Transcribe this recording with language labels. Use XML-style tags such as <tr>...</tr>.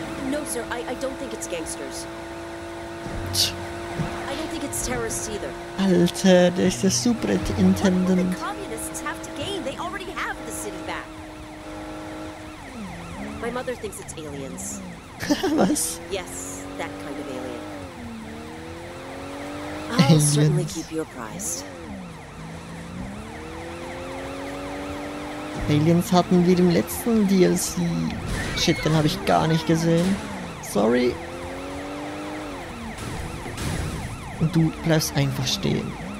<en>No, sir, I don't think it's gangsters. I don't think it's terrorists either.</en> <de>Alter, der ist der Superintendent.</de> <en>What will the communists have to gain? They already have the city back. My mother thinks it's aliens.</en> <de>Was?</de> <en>Yes, that kind of alien. I'll certainly keep you apprised.</en> <de>Aliens hatten wir im letzten DLC. Shit, den habe ich gar nicht gesehen. Sorry. Und du bleibst einfach stehen.</de>